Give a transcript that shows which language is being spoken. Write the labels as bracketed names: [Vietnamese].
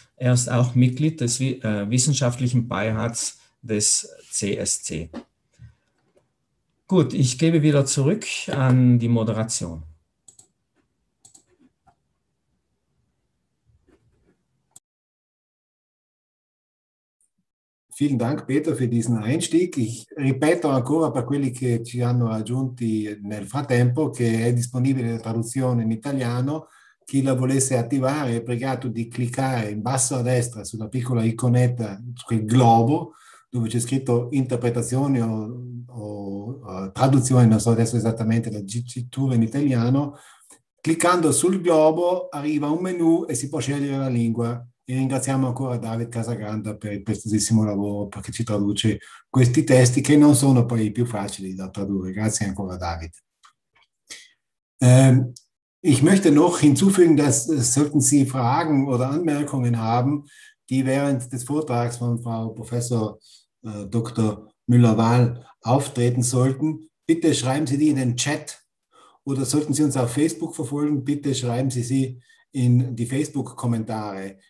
[German] Er ist auch Mitglied des wissenschaftlichen Beirats des CSC. Gut, ich gebe wieder zurück an die Moderation. Vielen Dank, Peter, für diesen Einstieg. [Italian] Ich ripeto ancora per quelli che ci hanno aggiunti nel frattempo, che è disponibile la traduzione in italiano. Chi la volesse attivare è pregato di cliccare in basso a destra sulla piccola iconetta, sul globo, dove c'è scritto interpretazioni o traduzioni, non so adesso esattamente la dicitura in italiano. Cliccando sul globo arriva un menu e si può scegliere la lingua. E ringraziamo ancora Davide Casagrande per il prestosissimo lavoro perché ci traduce questi testi che non sono poi i più facili da tradurre. Grazie ancora Davide. [German] Ich möchte noch hinzufügen, dass sollten Sie Fragen oder Anmerkungen haben, die während des Vortrags von Frau Professor Dr. Müller-Wahl auftreten sollten, bitte schreiben Sie die in den Chat oder sollten Sie uns auf Facebook verfolgen, bitte schreiben Sie sie in die Facebook-Kommentare.